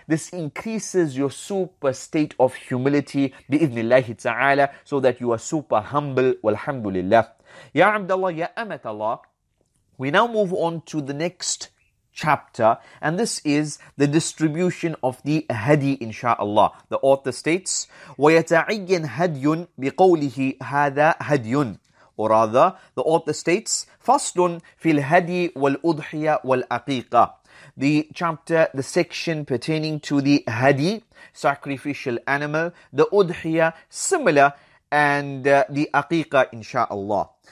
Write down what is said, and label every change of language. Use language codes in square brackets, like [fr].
[en] This increases your super state of humility bi-idhnillahi ta'ala, so that you are super humble, walhamdulillah. Ya Abdullah, Ya Amatullah, we now move on to the next chapter, and this is the distribution of the hadi, insha'Allah. The author states, [ar] وَيَتَعِيَّنْ هَدْيٌ بِقَوْلِهِ هَذَا هَدْيٌ. [en] Or rather, the author states, [ar] فَصْلٌ فِي الْهَدِي وَالْأُضْحِيَ وَالْأَقِيقَ. [en] The chapter, the section pertaining to the hadi, sacrificial animal, the udhiya, similar, and the aqiqah, insha'Allah.